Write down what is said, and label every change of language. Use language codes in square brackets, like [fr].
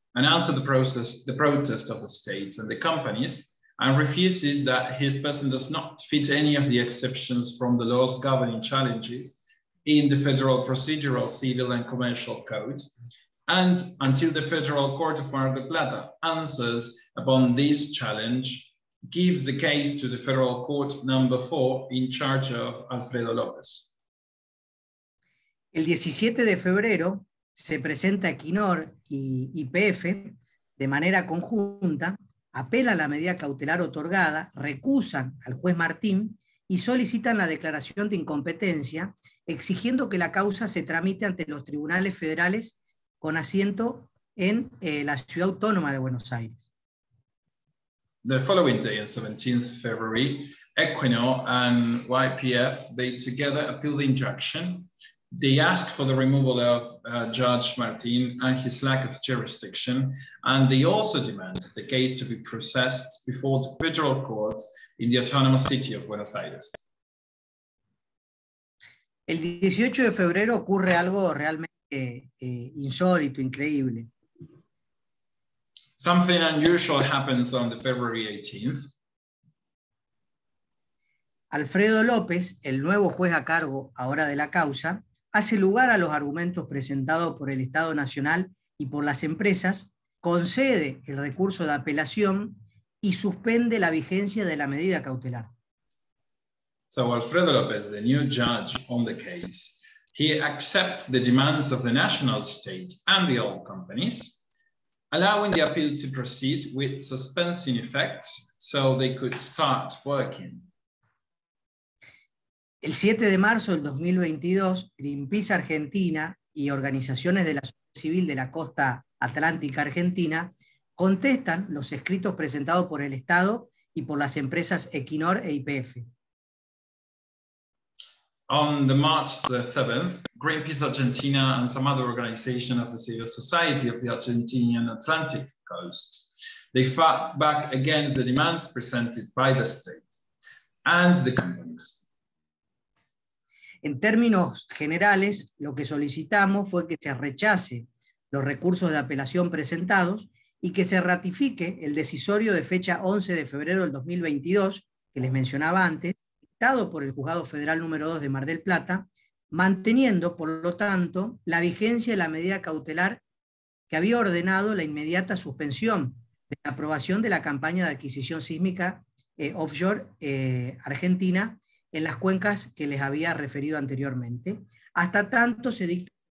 [en] and also the protest of the state and the companies, and refuses that his person does not fit any of the exceptions from the laws governing challenges in the Federal Procedural, Civil and Commercial Code, and until the Federal Court of Mar del Plata answers upon this challenge, gives the case to the Federal Court number 4 in charge of Alfredo López. [es] El 17 de febrero se presenta Equinor y YPF de manera conjunta, apelan la medida cautelar otorgada, recusan al juez Martín y solicitan la declaración de incompetencia, exigiendo que la causa se tramite ante los tribunales federales con asiento en la ciudad autónoma de Buenos Aires. [en] The following day, on 17th February, Equinor and YPF, they together appeal the injunction. They ask for the removal of Judge Martin and his lack of jurisdiction, and they also demand the case to be processed before the federal courts in the autonomous city of Buenos Aires. [es] El 18 de febrero ocurre algo realmente insólito, increíble. [en] Something unusual happens on the February 18th. [es] Alfredo López, el nuevo juez a cargo ahora de la causa, hace lugar a los argumentos presentados por el Estado Nacional y por las empresas, concede el recurso de apelación y suspende la vigencia de la medida cautelar. [en] So Alfredo López, the new judge on the case, he accepts the demands of the national state and the oil companies, allowing the appeal to proceed with suspension effect so they could start working. [es] El 7 de marzo del 2022, Greenpeace Argentina y organizaciones de la sociedad civil de la costa atlántica argentina contestan los escritos presentados por el Estado y por las empresas Equinor e YPF. [en] On the March the 7th, Greenpeace Argentina and some other organizations of the civil society of the Argentinian Atlantic coast, they fought back against the demands presented by the state and the companies. [es] En términos generales, lo que solicitamos fue que se rechace los recursos de apelación presentados y que se ratifique el decisorio de fecha 11 de febrero del 2022, que les mencionaba antes, por el juzgado federal número 2 de Mar del Plata, manteniendo, por lo tanto, la vigencia de la medida cautelar que había ordenado la inmediata suspensión de la aprobación de la campaña de adquisición sísmica offshore argentina en las cuencas que les había referido anteriormente, hasta tanto se dicta.